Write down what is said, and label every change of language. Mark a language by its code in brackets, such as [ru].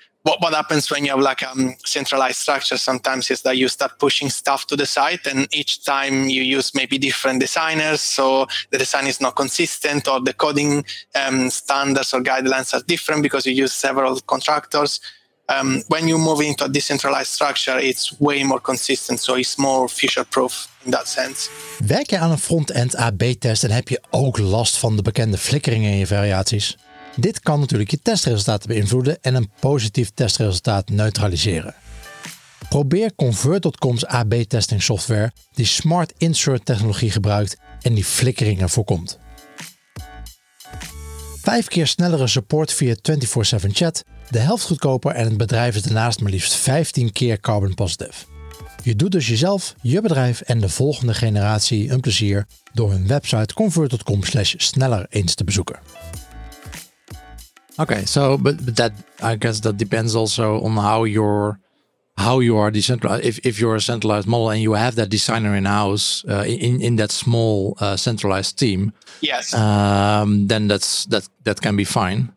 [en] What happens when you have like a centralized structure sometimes is that you start pushing stuff to the site, and each time you use maybe different designers, so the design is not consistent, or the coding standards or guidelines are different because you use several contractors. When you move into a decentralized structure, it's way more consistent, so it's more future-proof in that sense. [nl] Werk je aan een front-end AB-test en heb je ook last van de bekende flikkeringen in je variaties? Dit kan natuurlijk je testresultaten beïnvloeden en een positief testresultaat neutraliseren. Probeer Convert.com's AB-testing software die smart insert technologie gebruikt en die flikkeringen voorkomt. 5 keer snellere support via 24/7 chat, de helft goedkoper en het bedrijf is daarnaast maar liefst 15 keer carbon positive. Je doet dus jezelf, je bedrijf en de volgende generatie een plezier door hun website convert.com/sneller eens te bezoeken. [en] Okay, so but that, I guess that depends also on how you are decentralized. If you're a centralized model and you have that designer in house in that small centralized team, yes, then that can be fine.